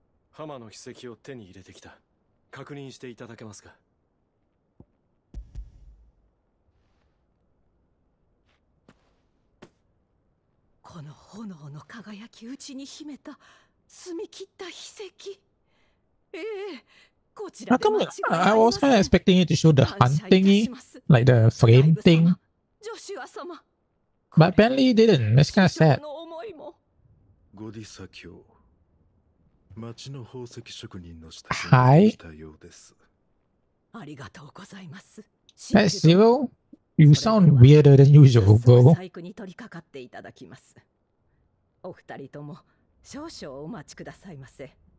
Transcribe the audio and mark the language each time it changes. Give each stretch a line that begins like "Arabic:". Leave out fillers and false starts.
Japanese: 浜の秘跡を手に入れてきた。確認していただけますか。この炎の輝き、内に秘めた、澄み切った秘跡。こちらで間違いありません。
English: I was kind of expecting it to show the hunt thingy, like the frame thing. ジョシュア様。But apparently he didn't. That's kind of sad.
Japanese: ゴディサ卿、町の宝石職人の下に来たようです。ありがとうございます。
English: Hey, Zero, you sound weirder than usual, bro.
Japanese: 細工に取り掛かっていただきます。お二人とも少々お待ちくださいませ。